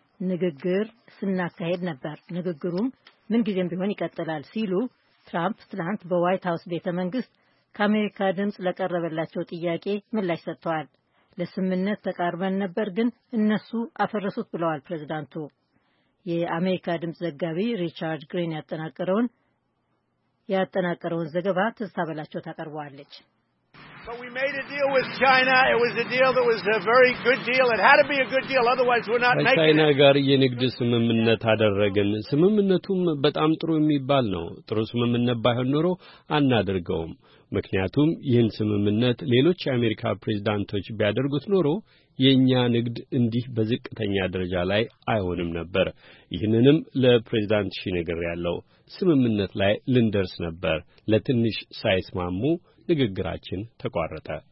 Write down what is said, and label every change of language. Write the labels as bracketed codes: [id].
[am] ንግግር ስናካሄድ ነበር፣ ንግግሩም ምንጊዜም ቢሆን ይቀጥላል ሲሉ ትራምፕ ትላንት በዋይት ሀውስ ቤተ መንግስት ከአሜሪካ ድምፅ ለቀረበላቸው ጥያቄ ምላሽ ሰጥተዋል። ለስምምነት ተቃርበን ነበር ግን እነሱ አፈረሱት ብለዋል ፕሬዚዳንቱ። የአሜሪካ ድምፅ ዘጋቢ ሪቻርድ ግሪን ያጠናቀረውን ዘገባ ትዝታ በላቸው ታቀርበዋለች። [en] But we made a deal with China. It was a deal that was a very good deal. It had to be a good deal, otherwise we're not making it. [am] China ጋር የንግድ ስምምነት አደረግን። ስምምነቱም በጣም ጥሩ የሚባል ነው። ጥሩ ስምምነት ባይሆን ኖሮ አናደርገውም። ምክንያቱም ይህን ስምምነት ሌሎች የአሜሪካ ፕሬዝዳንቶች ቢያደርጉት ኖሮ የኛ ንግድ እንዲህ በዝቅተኛ ደረጃ ላይ አይሆንም ነበር። ይሄንንም ለፕሬዝዳንት ሺ ነገር ያለው ስምምነት ላይ ልንደርስ ነበር። ለትንሽ ሳይስማሙ ንግግራችን ተቋረጠ።